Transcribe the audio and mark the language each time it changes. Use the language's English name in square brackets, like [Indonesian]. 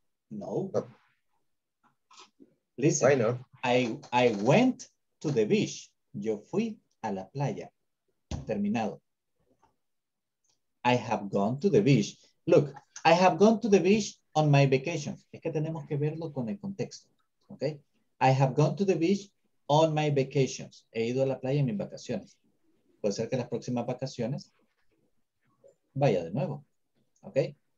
[English] No. Listen. Why not? I went to the beach. [Spanish] Yo fui a la playa. Terminado. [English] I have gone to the beach. Look. I have gone to the beach on my vacation. [Spanish] Es que tenemos que verlo con el contexto, okay? [English] I have gone to the beach on my vacations. [Spanish] He ido a la playa en mis vacaciones. Puede ser que las próximas vacaciones vaya de nuevo, okay?